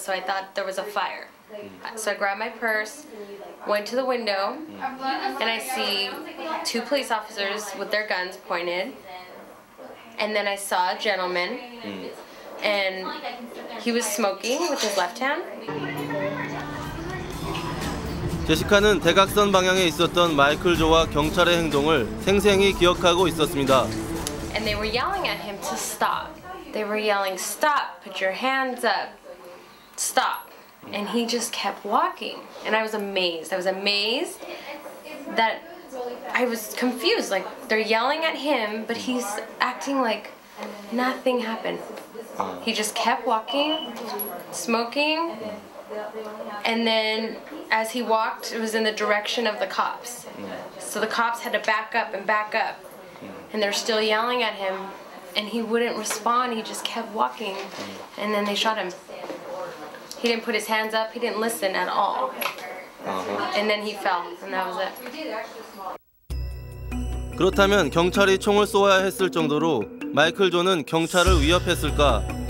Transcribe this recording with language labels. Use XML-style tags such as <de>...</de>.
<en>So I thought there was a fire. So I grabbed my purse, went to the window, and I see two police officers with their guns pointed. And then I saw a gentleman, and he was smoking with his left hand.</en> <ko>제시카는 대각선 방향에 있었던 마이클 조와 경찰의 행동을 생생히 기억하고 있었습니다.</ko> <en>And they were yelling at him to stop. They were yelling, stop, put your hands up, stop. And he just kept walking. And I was amazed. I was amazed that I was confused. Like, they're yelling at him, but he's acting like nothing happened. He just kept walking, smoking. And then as he walked, it was in the direction of the cops. So the cops had to back up and back up. And they're still yelling at him, and he wouldn't respond. He just kept walking, and then they shot him. He didn't put his hands up. He didn't listen at all. Uh-huh. And then he fell, and that was it.</en> <ko>그렇다면 경찰이 총을 쏘아야 했을 정도로 마이클 존은 경찰을 위협했을까?</ko>